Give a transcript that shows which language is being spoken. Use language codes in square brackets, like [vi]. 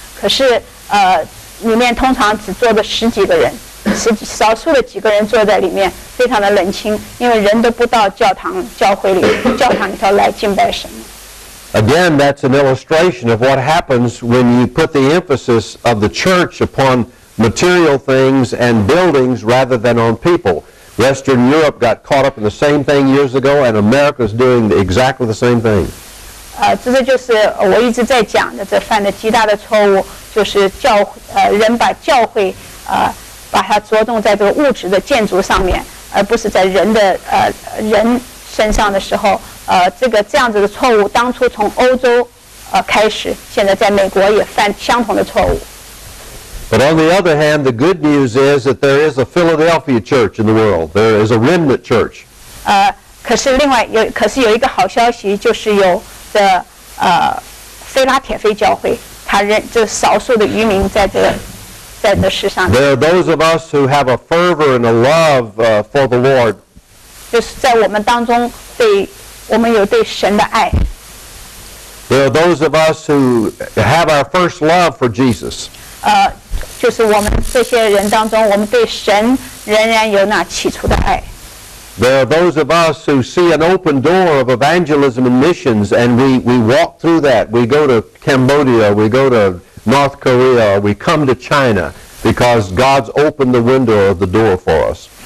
[zh] 可是里面通常只坐着十几个人。少数的几个人坐在里面，非常的冷清，因为人都不到教堂里头来敬拜神。 [en] Again, that's an illustration of what happens when you put the emphasis of the church upon material things and buildings rather than on people. Western Europe got caught up in the same thing years ago, and America's doing exactly the same thing. [zh] 这就是我一直在讲的，这犯的极大的错误，就是人把教会把它着重在这个物质的建筑上面，而不是在人的人身上的时候，这样子的错误，当初从欧洲开始，现在在美国也犯相同的错误。 [en] But on the other hand, the good news is that there is a Philadelphia church in the world. There is a remnant church. [zh] 可是有一个好消息，就是有的腓拉铁菲教会，这少数的渔民在这个。 [en] There are those of us who have a fervor and a love for the Lord. [zh] 就是在我们当中我们有对神的爱。 [en] There are those of us who have our first love for Jesus. [zh] 就是我们这些人当中，我们对神仍然有那起初的爱。 [en] There are those of us who see an open door of evangelism and missions, and we walk through that. We go to Cambodia. We go to North Korea, we come to China because God's opened the window of the door for us.